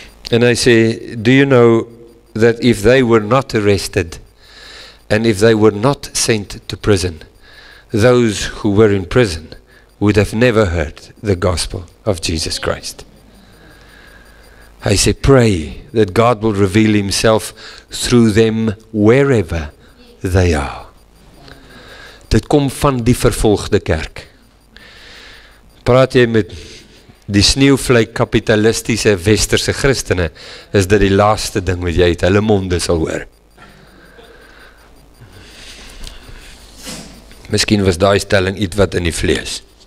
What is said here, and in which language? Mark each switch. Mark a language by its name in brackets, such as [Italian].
[English] And I say, do you know that if they were not arrested and if they were not sent to prison, those who were in prison would have never heard the gospel of Jesus Christ. I say, pray that God will reveal himself through them wherever they are. [Afrikaans] Dit kom van die vervolgde kerk. Praat jy met die sneeuwvlek kapitalistiese westerse christene, is dit die laaste ding wat jy uit hulle monde sal hoor. Miskien was daai stelling iets wat in die vlees.